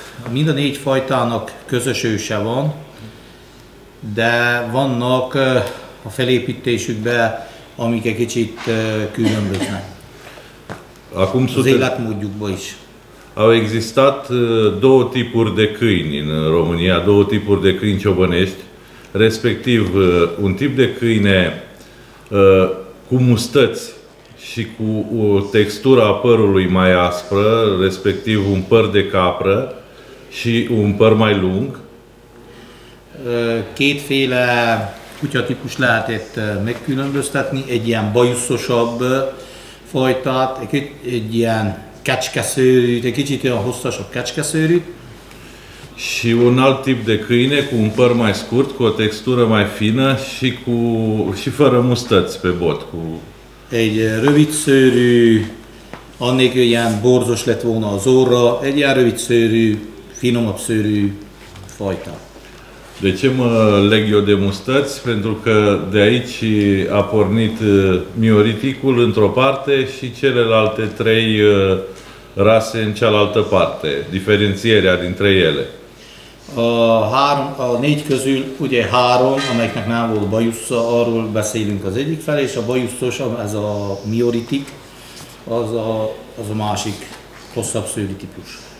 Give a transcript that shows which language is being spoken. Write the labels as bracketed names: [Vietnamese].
[Hungarian] Mind a négy fajtának közös őse van, de vannak a felépítésükben, amik egy kicsit különböznek. [Romanian] Acum [Hungarian] az életmódjukban is. [Romanian] Au existat două tipuri de câini în România, două tipuri de câini ciobănești, respectiv un tip de câine cu mustăți și cu o textură a părului mai aspră, respectiv un păr de capră și un păr mai lung. [Hungarian] Kétféle kutyatípus lehetett megkülönböztetni, egy ilyen bajuszosabb fajtát, egy ilyen kecskeszőrű, egy kicsit olyan hosszasabb kecskeszőrű. [Romanian] Și un alt tip de câine cu un păr mai scurt, cu o textură mai fină și cu și fără mustăți pe bot, cu [Hungarian] egy rövid szőrű, anélkül ilyen borzos lett volna az orra, egy ilyen rövid szőrű, finomabb szőrű fajta. [Romanian] De ce mă leg eu de mustăți? Pentru că de aici a pornit mioriticul într-o parte și celelalte trei rase în cealaltă parte, diferențierea dintre ele. [Hungarian] A négy közül ugye három, amelyiknek nem volt bajusza, arról beszélünk az egyik felé, és a bajuszos, ez a mioritik, az a másik hosszabb szőri típus.